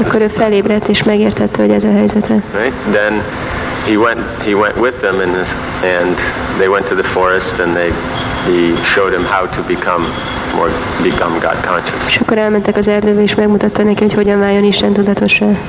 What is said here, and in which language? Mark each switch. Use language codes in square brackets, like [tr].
[hu] Akkor ő felébredt és megértette, hogy ez a helyzete. [en] Right? Then he went with them and they went to the forest and he showed him how to become God conscious. [hu] És akkor elmentek az erdőbe és megmutatta neki, hogy hogyan váljon Isten tudatossá.